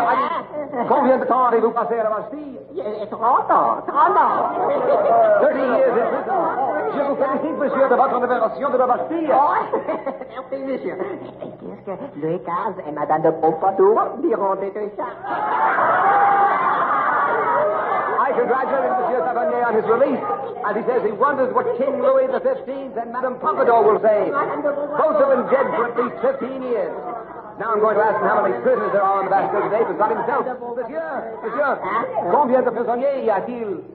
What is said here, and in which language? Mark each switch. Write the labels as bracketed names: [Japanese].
[English] I mean, [French] combien de temps avez-vous passé à la Bastille? 30 ans. 30 ans. [English] 30 years in prison. [French] Je vous félicite, monsieur, de votre libération de la Bastille. Oh, merci, monsieur. Et qu'est-ce que Louis XV et Madame de Pompadour diront de tout ça? [English] I congratulated Monsieur Tavernier on his release, and he says he wonders what King Louis XV and Madame Pompadour will say. Both of them dead for at least 15 years. Now I'm going to ask him how many prisoners there are on the Bastille today, but not himself. [French] Monsieur, combien de prisonniers y a-t-il?